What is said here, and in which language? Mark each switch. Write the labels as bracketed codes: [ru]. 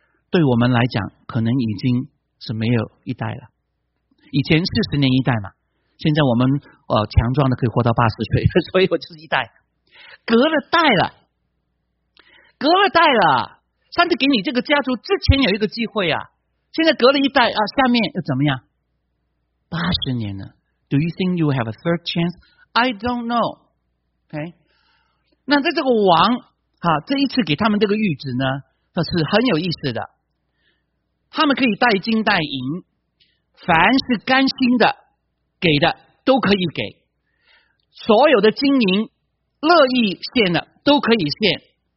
[zh] 对我们来讲可能已经是没有一代了，以前40年一代嘛，现在我们强壮的可以活到80岁，所以我就是一代，隔了代了，隔了代了，上帝给你这个家族之前有一个机会啊，现在隔了一代啊，下面又怎么样？ 80年了 [en] ，Do you think you have a third chance? I don't know. [zh] OK， 那在这个王哈、啊，这一次给他们这个谕旨呢，它是很有意思的。他们可以带金带银，凡是甘心的给的都可以给，所有的金银乐意献的都可以献。